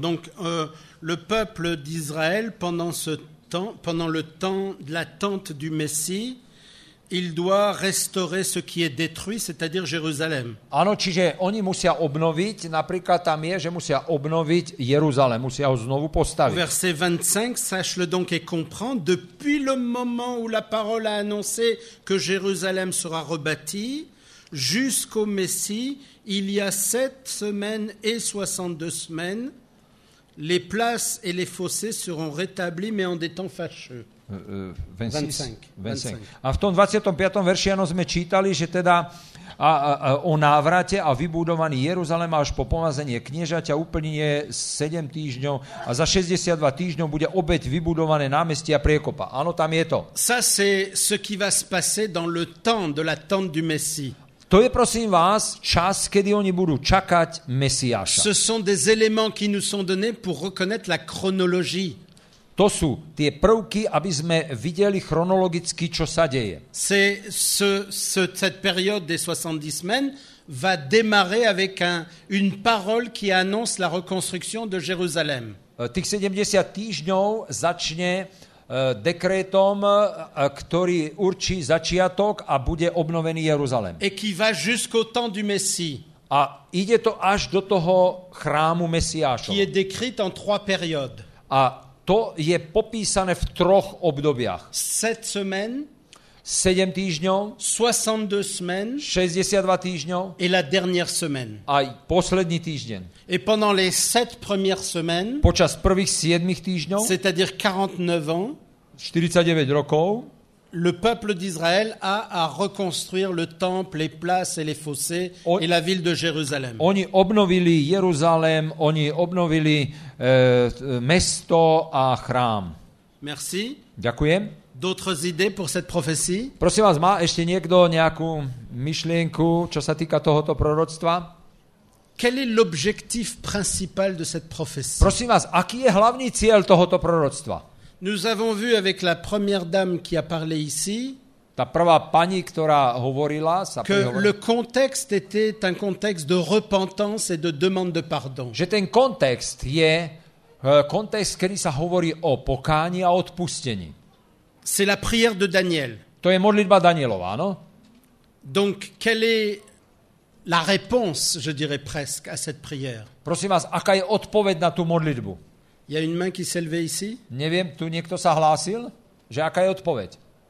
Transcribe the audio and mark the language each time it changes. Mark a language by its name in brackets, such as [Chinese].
[French] Donc le peuple d'Israël pendant ce pendant le temps de l'attente du Messie, il doit restaurer ce qui est détruit, c'est-à-dire Jérusalem. [Slovak] Ano, čiže oni musia obnoviť, napríklad tam je, že musia obnoviť Jeruzalém, musia ho znovu postaviť. [French] Verset 25, sache-le donc et comprends, depuis le moment où la parole a annoncé que Jérusalem sera rebâtie, jusqu'au Messie, il y a 7 semaines et 62 semaines, les places et les fossés seront rétablis, mais en des temps fâcheux. [Slovak] 25. A v tom 25. verši ano, sme čítali, že teda o návrate a vybudovaní Jeruzalema až po pomazanie kniežaťa uplnie 7 týždňov a za 62 týždňov bude obeť vybudované námestie a priekopa. Áno, tam je to. [French] Ça c'est ce qui va se passer dans le temps de l'attente du Messie. [Slovak] To je, prosím vás, čas, kedy oni budú čakať Mesiáša. [French] Ce sont des éléments qui nous sont donnés pour reconnaître la chronologie. [Slovak] To sú tie prvky, aby sme videli chronologicky, čo sa deje. [French] C'est cette période des 70 semaines va démarrer avec une parole qui annonce la reconstruction de Jérusalem. [Slovak] Tých 70 týždňov začne dekrétom, ktorý určí začiatok a bude obnovený Jeruzalém. [French] Et qui va jusqu'au temps du Messie. [Slovak] A ide to až do toho chrámu Mesiáša. [French] Qui est décrit en trois périodes. [Slovak] A to je popísané v troch obdobiach. [French] 7 semaines. [Slovak] 7 týždňov, [French] 62 semaines, [Slovak] 62 týždňov [French] et la dernière semaine. [Slovak] Aj posledný týždeň. [French] Et pendant les 7 premières semaines, [Slovak] počas prvých 7 týždňov, [French] c'est-à-dire 49 ans, [Slovak] 49 rokov, [French] le peuple d'Israël a à reconstruire le temple, les places et les fossés et la ville de Jérusalem. [Slovak] Oni obnovili Jeruzalém, oni obnovili mesto a chrám. [French] Merci. [Slovak] Ďakujem. [French] D'autres idées pour cette prophétie? [Slovak] Prosím vás, má ešte niekto nejakú myšlienku, čo sa týka tohoto proroctva? [French] Quel est l'objectif principal de cette prophétie? [Slovak] Prosím vás, aký je hlavný cieľ tohoto proroctva? [French] Nous avons vu avec la première dame qui a parlé ici. [Slovak] Tá prvá pani, ktorá hovorila, sa [French] que le contexte était un contexte de repentance et de demande de pardon. [Slovak] Že ten kontext je kontext, kedy sa hovorí o pokání a odpustení. [French] C'est la prière de Daniel. [Slovak] To je modlitba Danielova, no? [French] Donc quelle est la réponse, je dirais presque, à cette prière? [Slovak] Prosím vás, aká je odpoveď na tú modlitbu? [French] Il y a une main qui s'est levée ici? [Slovak] Neviem, tu niekto sa hlásil, že aká je odpoveď?